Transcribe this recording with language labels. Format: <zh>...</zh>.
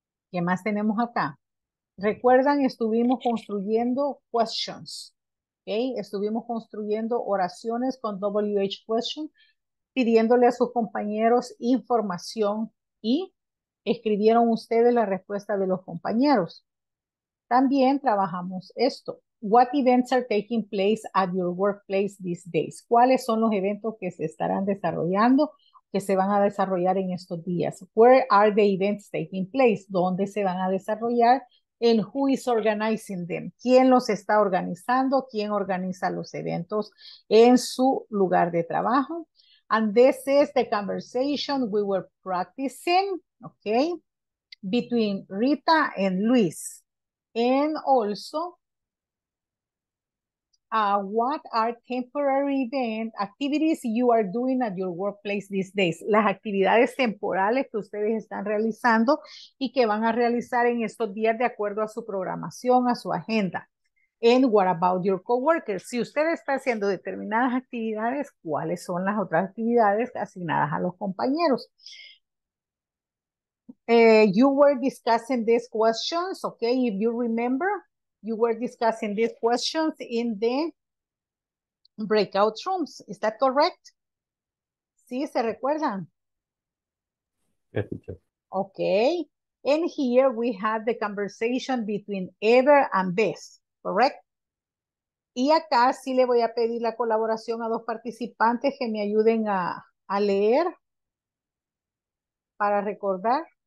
<es>¿Qué más tenemos acá? Recuerdan, estuvimos construyendo questions, ¿okay? Estuvimos construyendo oraciones con WH question, pidiéndole a sus compañeros información y escribieron ustedes la respuesta de los compañeros. También trabajamos esto.</es> <en>What events are taking place at your workplace these days?</en> <es>¿Cuáles son los eventos que se estarán desarrollando, que se van a desarrollar en estos días?</es> <en>Where are the events taking place?</en> <es>¿Dónde se van a desarrollar?</es> <en>And who is organizing them?</en> <es>¿Quién los está organizando? ¿Quién organiza los eventos en su lugar de trabajo?</es> <en>And this is the conversation we were practicing, okay, between Rita and Luis. And also, what are temporary event activities you are doing at your workplace these days?</en> <es>Las actividades temporales que ustedes están realizando y que van a realizar en estos días de acuerdo a su programación, a su agenda.</es> <en>And what about your coworkers?</en> <es>Si usted está haciendo determinadas actividades, ¿cuáles son las otras actividades asignadas a los compañeros?</es> <en>You were discussing these questions, okay? If you remember, you were discussing these questions in the breakout rooms. Is that correct?</en> <es>¿Sí se recuerdan?</es> <en>Yes, teacher. Okay. And here we had the conversation between Ever and Beth. Correct.</en> <es>Y acá sí le voy a pedir la colaboración a dos participantes que me ayuden a leer para recordar.</es>